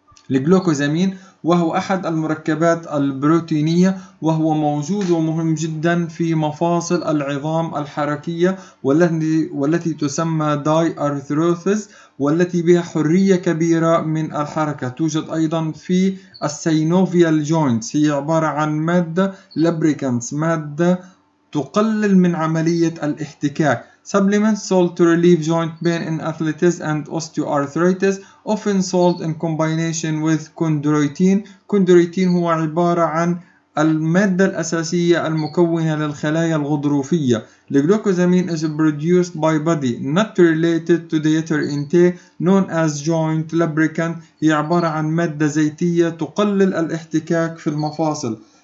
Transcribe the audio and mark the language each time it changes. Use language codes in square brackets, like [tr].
[ar] الجلوكوزامين وهو أحد المركبات البروتينية، وهو موجود ومهم جدا في مفاصل العظام الحركية، والتي تسمى داي أرثروثس، والتي بها حرية كبيرة من الحركة. توجد أيضا في السينوفيال جوينتس، هي عبارة عن مادة لبريكانتس، مادة تقلل من عملية الاحتكاك. [en] Supplements sold to relieve joint pain in athletes and osteoarthritis, often sold in combination with chondroitin. [ar] Chondroitin هو عبارة عن المادة الأساسية المكونة للخلايا الغضروفية. [en] الجلوكوزامين is produced by body, not related to dietary intake, known as joint lubricant. [ar] هي عبارة عن مادة زيتية تقلل الاحتكاك في المفاصل.